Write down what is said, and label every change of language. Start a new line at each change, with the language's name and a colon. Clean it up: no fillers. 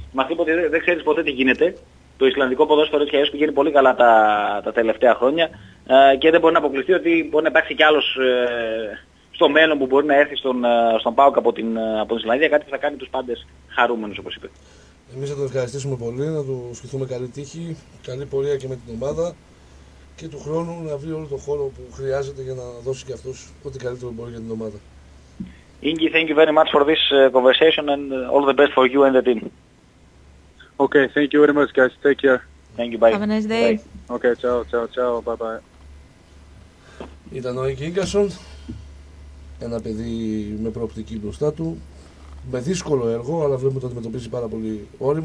Greek: Μας είπε ότι δεν ξέρεις ποτέ τι γίνεται. Το Ισλανδικό ποδόσφαιρο έτσι που γίνει πολύ καλά τα τελευταία χρόνια και δεν μπορεί να αποκλειστεί ότι μπορεί να υπάρξει κι άλλος στο μέλλον που μπορεί να έρθει στον ΠΑΟΚ από την Ισλανδία, κάτι που θα κάνει τους πάντες χαρούμενους, όπως είπε. Εμείς θα τον ευχαριστήσουμε πολύ, να του ευχηθούμε καλή τύχη, καλή πορεία και με την ομάδα και του χρόνου να βρει όλο το χώρο που χρειάζεται για να δώσει και αυτός ό,τι καλύτερο μπορεί για την ομάδα.
English: Ίνγκη, thank you very much for this conversation and all the best for you and the team. Okay, thank you very much guys, take care. Thank you, bye. Have a nice day. Bye. Okay, ciao, bye-bye.
Greek: Ήταν ο Ίνγκη Ίνγκασον, ένα παιδί με προοπτική μπροστά του. Με δύσκολο έργο, αλλά βλέπουμε ότι αντιμετωπίζει πάρα πολύ όρημα.